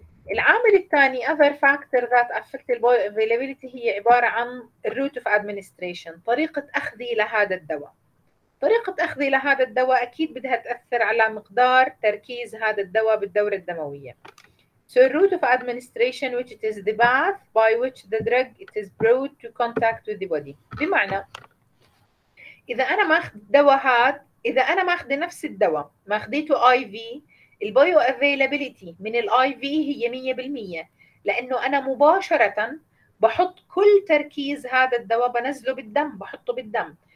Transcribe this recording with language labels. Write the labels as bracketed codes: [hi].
[ar] العامل الثاني [en] other factor that affect the bioavailability [ar] هي عبارة عن route of administration، طريقة أخذي لهذا الدواء. طريقة أخذي لهذا الدواء أكيد بدها تأثر على مقدار تركيز هذا الدواء بالدورة الدموية. [en] So route of administration which it is the path by which the drug it is brought to contact with the body. [ar] بمعنى إذا أنا ما أخذ الدواء هذا، إذا أنا ما أخذ نفس الدواء ما أخذيته IV، البايو افيلابيليتي من الاي في هي 100%، لانه انا مباشره بحط كل تركيز هذا الدواء بنزله بالدم، بحطه بالدم.